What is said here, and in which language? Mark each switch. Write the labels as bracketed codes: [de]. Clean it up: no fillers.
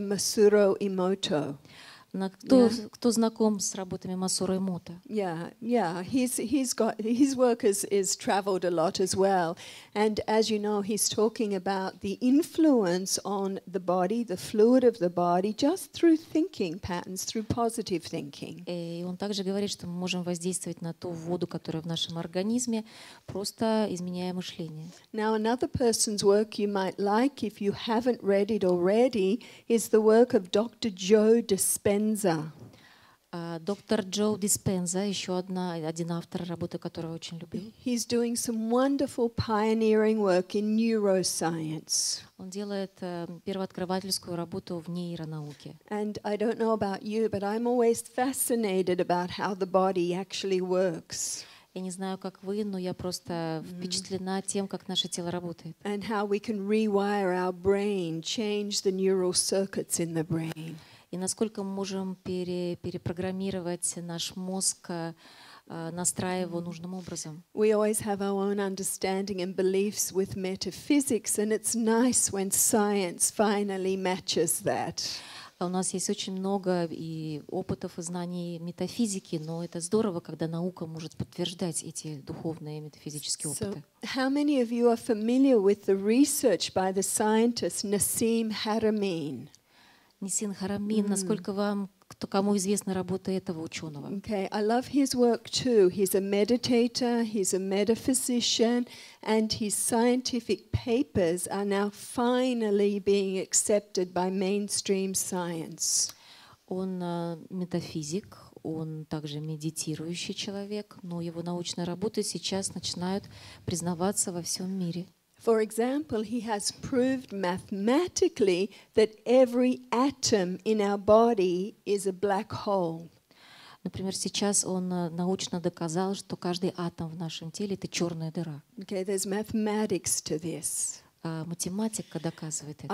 [en] Masuro Emoto? [ru] Кто знаком с работами Масуро Эмото? [en] His work is traveled a lot as well. And as you know, he's talking about the influence on the body, the fluid of the body, just through thinking patterns, through positive thinking. [ru] И он также говорит, что мы можем воздействовать на ту воду, которая в нашем организме, просто изменяя мышление. [en] Now another person's work you might like, if you haven't read it already, is the work of Dr. Joe Dispenza. [ru] Доктор Джо Диспенза, еще один автор работы, которого очень любил. [en] He's doing some wonderful pioneering work in neuroscience. [ru] Он делает первооткрывательскую работу в нейронауке. [en] And I don't know about you, but I'm always fascinated about how the body actually works. [ru] Я не знаю, как вы, но я просто впечатлена тем, как наше тело работает. [en] And how we can rewire our brain, change the neural circuits in the brain. [ru] И насколько мы можем перепрограммировать наш мозг, настраивая его нужным образом. [en] We always have our own understanding and beliefs with metaphysics, and it's nice when science finally matches that. [ru] У нас есть очень много и опытов, и знаний метафизики, но это здорово, когда наука может подтверждать эти духовные и метафизические опыты. [en] So, how many of you are familiar with the research by the scientist Nassim Haramein? [ru] Насколько вам что кому известна работа этого ученого. [en] Okay, I love his work too. He's a meditator, he's a metaphysician, and his scientific papers are now finally being accepted by mainstream science. [ru] Он метафизик, он также медитирующий человек, но его научные работы сейчас начинают признаваться во всем мире. [en] For example, he has proved mathematically that every atom in our body is a black hole. [ru] Например, сейчас он научно доказал, что каждый атом в нашем теле — это черная дыра. [en] Okay, there's mathematics to this. [ru] Математика доказывает это.